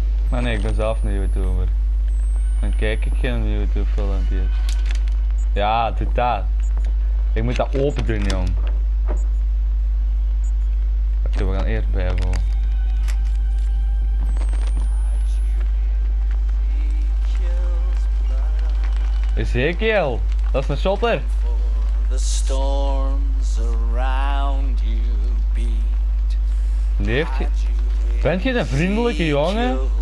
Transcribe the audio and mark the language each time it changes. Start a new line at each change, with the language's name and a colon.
Dutch: Maar nee, ik ben zelf een YouTuber. Dan kijk ik geen YouTube-filmpjes. Ja, doe dat. Ik moet dat open doen, jong. Oké, we gaan eerst bijbel. Ezekiel, dat is een shotter.
English: The storms around you beat.
Dutch: Leeft je? Ben je een vriendelijke jongen?